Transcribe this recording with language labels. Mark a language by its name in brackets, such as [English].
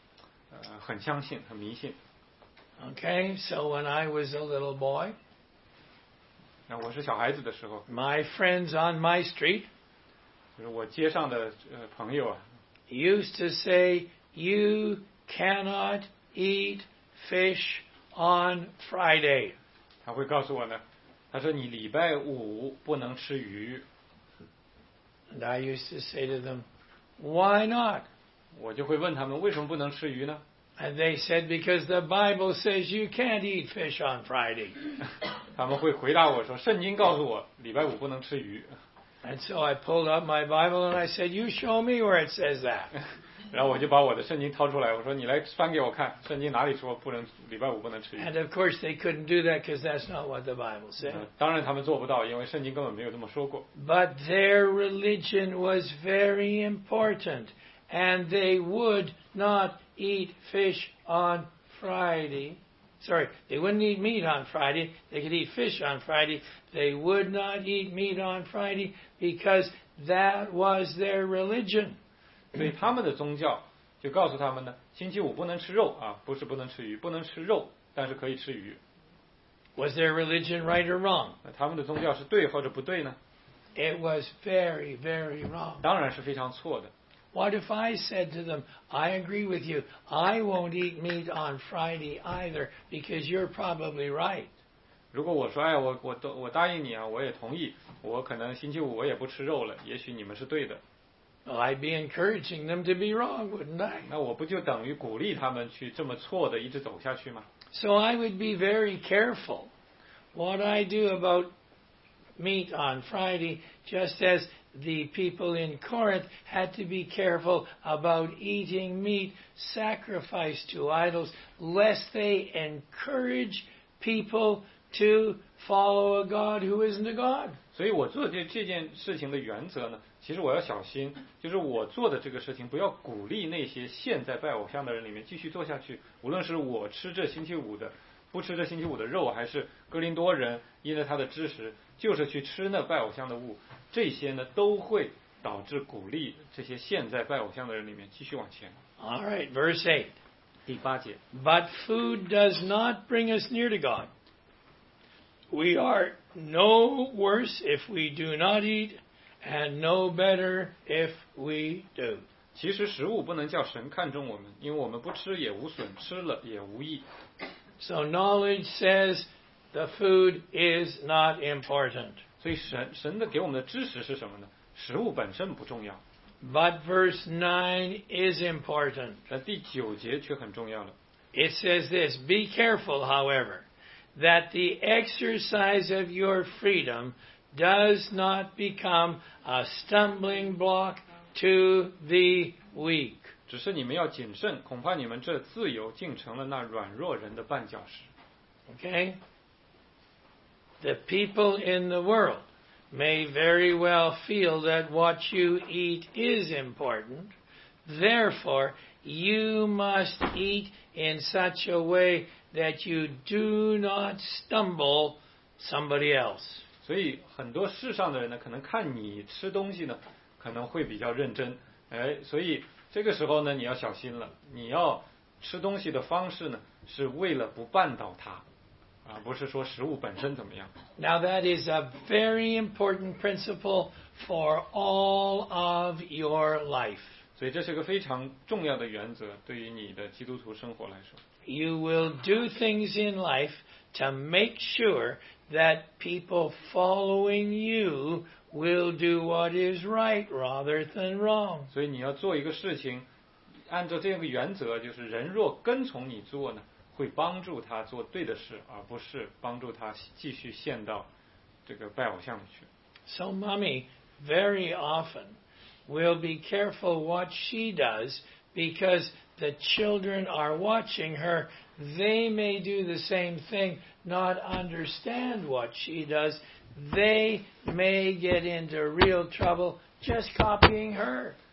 [Chinese] 所以很多人呢，一特别的就一直的拜偶像呢，所以他会很特别的就对这些吃这个食物啊，就很相信，很迷信。 [English] Okay, so when I was a little boy, [Chinese] 我是小孩子的时候, [English] my friends on my street [Chinese] 就是我街上的朋友啊, [English] used to say, you cannot eat fish on Friday. [Chinese] 他会告诉我呢, 他说你礼拜五不能吃鱼。 [English] And I used to say to them, why not? [Chinese] 我就会问他们, 为什么不能吃鱼呢? [English] And they said, because the Bible says you can't eat fish on Friday. [Chinese] 他们会回答我说，圣经告诉我，礼拜五不能吃鱼。 [English] And so I pulled up my Bible and I said, you show me where it says that. [Chinese] 然后我就把我的圣经掏出来，我说你来翻给我看，圣经哪里说不能礼拜五不能吃鱼。 [English] And of course they couldn't do that because that's not what the Bible said. [Chinese] 当然他们做不到，因为圣经根本没有这么说过。 [English] But their religion was very important, and they would not eat fish on Friday. Sorry, they wouldn't eat meat on Friday. They could eat fish on Friday. They would not eat meat on Friday because that was their religion. [Chinese] 所以他们的宗教就告诉他们呢，星期五不能吃肉啊，不是不能吃鱼，不能吃肉，但是可以吃鱼。 [English] Was their religion right or wrong? [Chinese] 他们的宗教是对或者不对呢？ [English] It was very, very wrong. [Chinese] 当然是非常错的。 [English] What if I said to them, I agree with you, I won't eat meat on Friday either, because you're probably right. [Chinese] 如果我说，哎，我答应你啊，我也同意，我可能星期五我也不吃肉了，也许你们是对的。 [English] Well, I'd be encouraging them to be wrong, wouldn't I? [Chinese] 那我不就等于鼓励他们去这么错的一直走下去吗？ [English] So I would be very careful what I do about meat on Friday, just as the people in Corinth had to be careful about eating meat sacrificed to idols, lest they encourage people to follow a God who isn't a God. [Chinese] 所以我做这件事情的原则呢，其实我要小心，就是我做的这个事情不要鼓励那些现在拜偶像的人里面继续做下去，无论是我吃这星期五的不吃这星期五的肉，还是哥林多人因着他的知识就是去吃那拜偶像的物，这些呢都会导致鼓励这些现在拜偶像的人里面继续往前。 [English] All right, verse 8, [Chinese] 第八节。 [English] But food does not bring us near to God. We are no worse if we do not eatAnd no better if we do. [Chinese] 其实食物不能叫神看重我们，因为我们不吃也无损，吃了也无益。 [English] So knowledge says the food is not important. [Chinese] 所以神的给我们的知识是什么呢？食物本身不重要。 [English] But verse 9 is important. [Chinese] 但第九节却很重要了。 [English] It says this, be careful, however, that the exercise of your freedom does not become a stumbling block to the weak. [Chinese] 只是你们要谨慎，恐怕你们这自由竟成了那软弱人的绊脚石。 [English] Okay. The people in the world may very well feel that what you eat is important. Therefore, you must eat in such a way that you do not stumble somebody else. [Chinese] 所以很多世上的人呢，可能看你吃东西呢，可能会比较认真，哎，所以这个时候呢，你要小心了。你要吃东西的方式呢，是为了不绊倒他，而不是说食物本身怎么样。 [English] Now that is a very important principle for all of your life. [Chinese] 所以这是个非常重要的原则，对于你的基督徒生活来说。 [English] You will do things in life to make sure that people following you will do what is right rather than wrong. [Chinese] 所以你要做一个事情，按照这个原则，就是人若跟从你做呢，会帮助他做对的事，而不是帮助他继续陷到这个拜偶像里去。 [English] So mommy very often will be careful what she does because the children are watching her. They may do the same thing, not understand what she does. They may get into real trouble just copying her.